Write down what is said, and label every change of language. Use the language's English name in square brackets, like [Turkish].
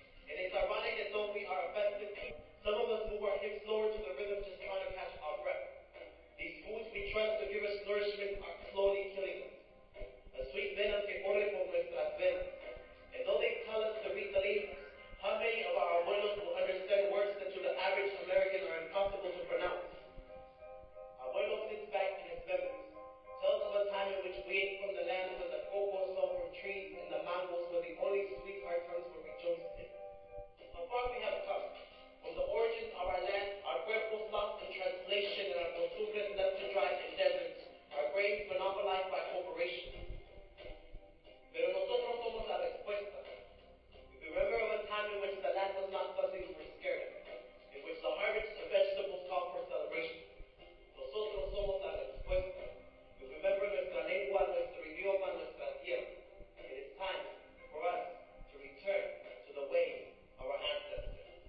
[English] It is ironic as though we are a festive people. Some of us move our hips lower to the rhythm just trying to catch our breath. These foods we trust to give us nourishment are slowly killing us. The sweet venom [Spanish] que corre por nuestras venas. [English] And though they tell us to read the labels, how many of our abuelos will understand words that to the average American are impossible to pronounce? Abuelo sits back in his memories, tells of a time in which we ate from the land where the cocoa sold from trees and the mangoes were the only sweet our tongues were rejoiced in. How far we have come, from the origins of our land, our cuerpos lost in translation and our costumbres left to dry in deserts, our graves monopolized by corporations. [Spanish] Pero nosotros somos la respuesta. [English] If you remember of a time in which the land was not fuzzy, we were scared. In which the harvest of vegetables called for celebration. [Spanish] Nosotros somos la respuesta. [English] You remember [Spanish] nuestra lengua, nuestro idioma, nuestra tierra. [English] It is time for us to return to the way of our ancestors.